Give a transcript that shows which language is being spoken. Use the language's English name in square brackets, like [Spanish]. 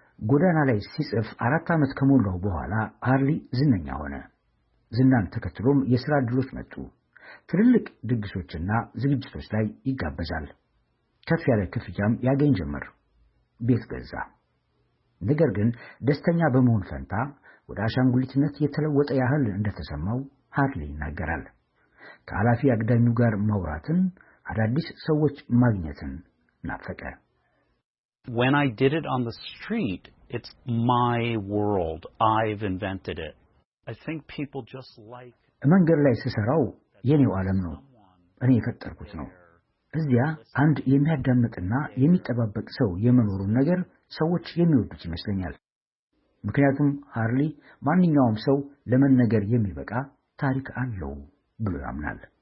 [Amharic] ጎዳና ላይ ሲጽፍ 4 ዓመት ከሞላው በኋላ ሃርሊ ዝነኛ ሆነ። ዝናን ተከትሎም የሥራ ድሎች መጡ። ትልልቅ ድግሶችና ዝግጅቶች ላይ ይጋበዛል። ከፍ ያለ ክፍያም ያገኝ ጀመር። ቤት ገዛ። ነገር ግን ደስተኛ በመሆን ፈንታ ወደ አሻንጉሊትነት የተለወጠ ያህል እንደተሰማው ሃርሊ ይናገራል። ከአላፊ አግዳሚው ጋር መውራትን፣ አዳዲስ ሰዎች ማግኘትን ናፈቀ። [English] When I did it on the street, it's my world. I've invented it. I think people just like [Amharic] መንገድ ላይ ሲሰራው የኔው ዓለም ነው፣ እኔ የፈጠርኩት ነው። እዚያ አንድ የሚያዳምጥና የሚጠባበቅ ሰው የመኖሩን ነገር ሰዎች የሚወዱት ይመስለኛል። ምክንያቱም ሃርሊ ማንኛውም ሰው ለመነገር የሚበቃ ታሪክ አለው ብሎ ያምናል።